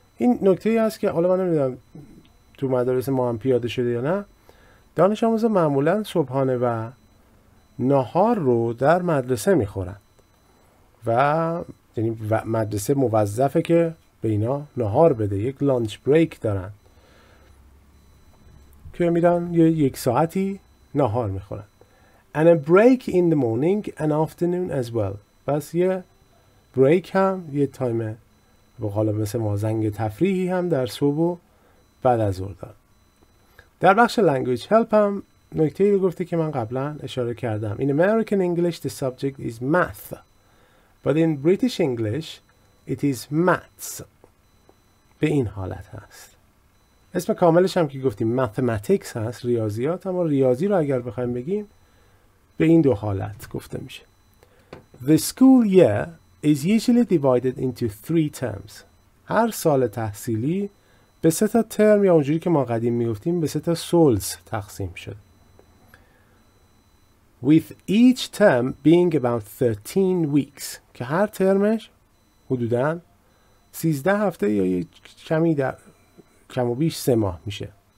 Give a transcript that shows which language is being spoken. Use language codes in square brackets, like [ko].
[fa] این نکته ای هست که حالا من نمیدونم تو مدارس ما هم پیاده شده یا نه, دانش آموزا معمولا صبحانه و نهار رو در مدرسه میخورن و یعنی مدرسه موظفه که به اینا نهار بده, یک لانچ بریک دارن که میرن یک ساعتی نهار میخورن. [en] And a break in the morning and afternoon as well. [fa] بس یه break هم, یه تایمه بقالا مثل ما زنگ تفریحی هم در صبح و بعد از ظهر دارن. در بخش language help هم نکته ای رو گفته که من قبلا اشاره کردم. [en] In American English the subject is math. But in British English it is maths. [fa] به این حالت هست. اسم کاملش هم که گفتیم mathematics هست, ریاضیات, اما ریاضی رو اگر بخوایم بگیم به این دو حالت گفته میشه. [en] The school year is usually divided into 3 terms. [fa] هر سال تحصیلی به 3 ترم, یا اونجوری که ما قدیم میگفتیم به 3 سولز تقسیم شد. [en] With each term being about 13 weeks. [fa] که هر ترمش حدوداً 13 هفته یا کمی در کم و بیش 3 ماه میشه.